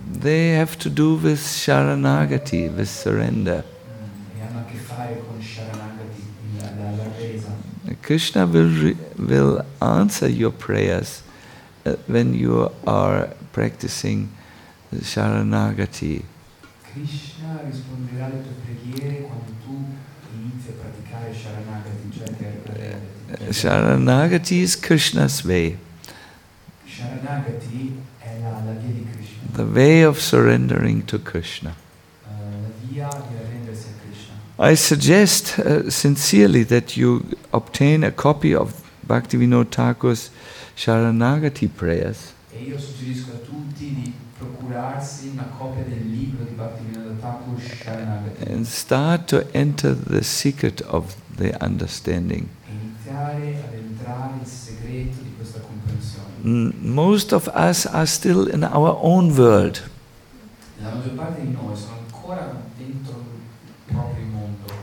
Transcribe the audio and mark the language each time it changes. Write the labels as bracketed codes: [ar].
[en] They have to do with Sharanagati, with surrender. [it] E hanno a che fare con Sharanagati, la resa. [en] Krishna will answer your prayers when you are practicing Sharanagati. [it] Krishna risponderà alle tue preghiere quando tu inizi a praticare Sharanagati, cioè [en] Sharanagati is Krishna's way. [it] Sharanagati è la via di Krishna. [en] The way of surrendering to Krishna. [it] La via di arrendersi a Krishna. [en] I suggest sincerely that you obtain a copy of Bhaktivinoda Thakur's Sharanagati prayers. [it] E io suggerisco a tutti di procurarsi una copia del libro di Bhaktivinoda Thakur Sharanagati. [en] And start to enter the secret of the understanding. [it] Iniziare ad entrare il segreto di questa comprensione. [en] Most of us are still in our own world. [it] La maggior parte di noi sono ancora dentro il proprio mondo.